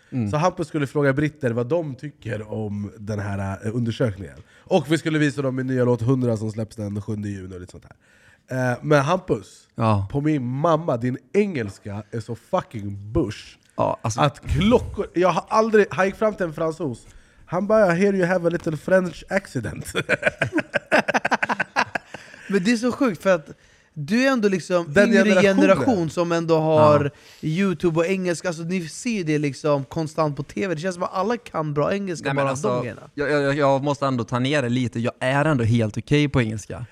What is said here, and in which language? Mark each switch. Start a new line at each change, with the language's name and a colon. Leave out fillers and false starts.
Swedish: Så Hampus skulle fråga britter vad de tycker om den här undersökningen. Och vi skulle visa dem min nya låt 100 som släpps den 7 juni och lite sånt här. Men Hampus, ja, på min mamma, din engelska är så fucking bush. Ja, alltså, att klockor, jag har aldrig, han gick fram till en fransos. Han bara,
English: I hear you have a little French accident.
Swedish: Men det är så sjukt för att du är ändå liksom den yngre generation som ändå har, ja, YouTube och engelska. Alltså, ni ser det liksom konstant på TV. Det känns som att alla kan bra engelska. Nej, bara alltså, jag måste ändå ta ner det lite. Jag är ändå helt okej på engelska.